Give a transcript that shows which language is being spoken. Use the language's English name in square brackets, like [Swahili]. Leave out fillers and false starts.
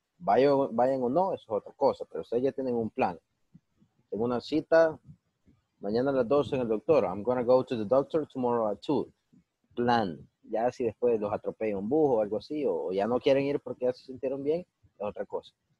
[Spanish] Vayan o no, es otra cosa, pero ustedes ya tienen un plan. Tengo una cita, mañana a las 12 en el doctor. [English] I'm gonna go to the doctor tomorrow at 2. [Spanish] Plan, ya si después los atropella un bus o algo así, o ya no quieren ir porque ya se sintieron bien, es otra cosa.